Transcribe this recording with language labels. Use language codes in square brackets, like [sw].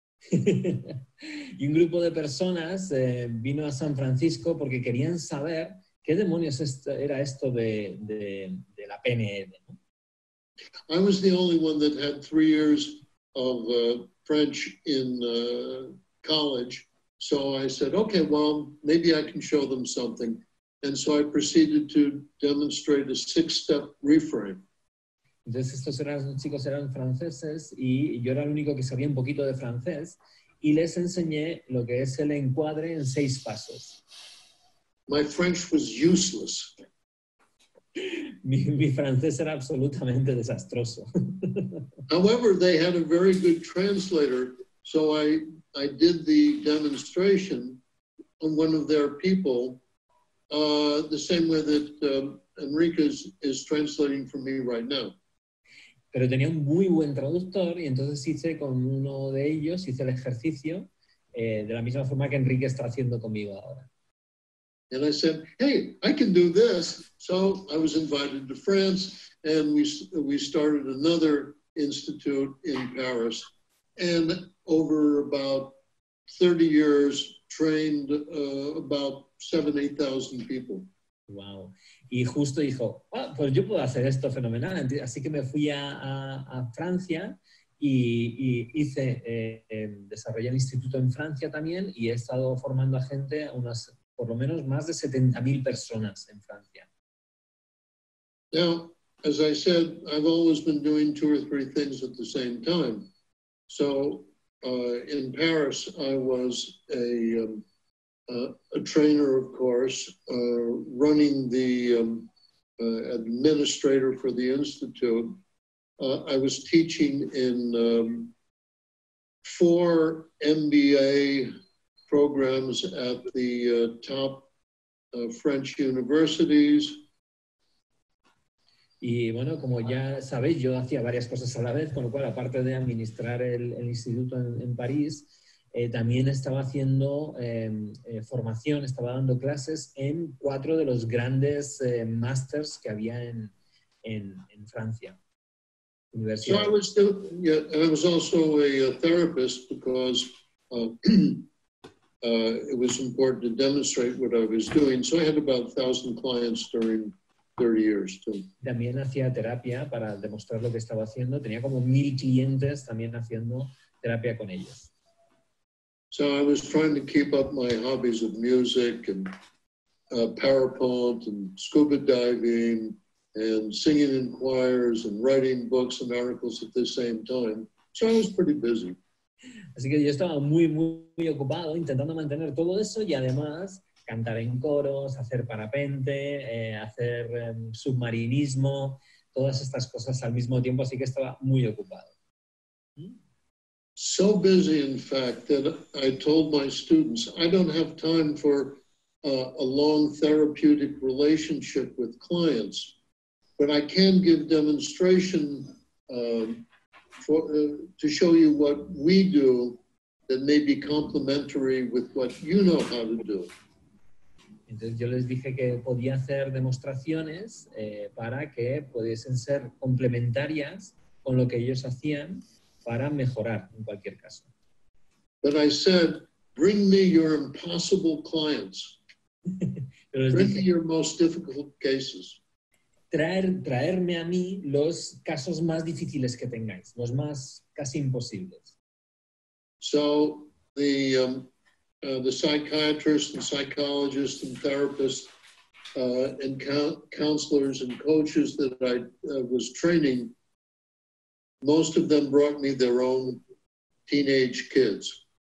[es] Y un grupo de personas vino a San Francisco porque querían saber qué demonios era esto de la PNL. [en] I was the only one that had 3 years of French in college, so I said, okay, well, maybe I can show them something. And so I proceeded to demonstrate a six-step reframe. [es] Entonces estos chicos eran franceses y yo era el único que sabía un poquito de francés y les enseñé lo que es el encuadre en seis pasos. [en] My French was useless. [es] Mi francés era absolutamente desastroso. [en] However, they had a very good translator, so I did the demonstration on one of their people, the same way that Enrique is translating for me right now. [es] Pero tenía un muy buen traductor, y entonces hice con uno de ellos, hice el ejercicio, de la misma forma que Enrique está haciendo conmigo ahora. [en] And I said, hey, I can do this. So I was invited to France, and we started another institute in Paris. And over about 30 years, trained about 7,000-8,000 people. Wow. [es] Y justo dijo, pues yo puedo hacer esto fenomenal. Así que me fui a Francia y hice, desarrollé el instituto en Francia también y he estado formando a gente, unas por lo menos más de 70,000 personas en Francia. [en] Now, as I said, I've always been doing two or three things at the same time. So, in Paris, I was a trainer, of course, running the administrator for the institute. I was teaching in four MBA programs at the top French universities. [es] Y bueno, como ya sabéis, yo hacía varias cosas a la vez, con lo cual, aparte de administrar el instituto en París, también estaba haciendo formación, estaba dando clases en cuatro de los grandes masters que había en Francia. universidad. [en] So I was still, yeah, I was also a therapist because it was important to demonstrate what I was doing. So I had about 1,000 clients during 30 years too. [es] También hacía terapia para demostrar lo que estaba haciendo. Tenía como 1,000 clientes también haciendo terapia con ellos. [en] So I was trying to keep up my hobbies of music and parapente and scuba diving and singing in choirs and writing books and articles at the same time. So I was pretty busy. [es] Así que yo estaba muy, muy, muy ocupado intentando mantener todo eso y además cantar en coros, hacer parapente, hacer submarinismo, todas estas cosas al mismo tiempo, así que estaba muy ocupado. [en] So busy, in fact, that I told my students, I don't have time for a long therapeutic relationship with clients, but I can give demonstration to show you what we do that may be complementary with what you know how to do. [es] Entonces yo les dije que podía hacer demostraciones para que pudiesen ser complementarias con lo que ellos hacían para mejorar en cualquier caso. [en] But I said, bring me your impossible clients. Bring me your most difficult cases. [es] Traerme a mí los casos más difíciles que tengáis, los más casi imposibles. [en] So the psychiatrists and psychologists and therapists and counselors and coaches that I was training, most of them brought me their own teenage kids.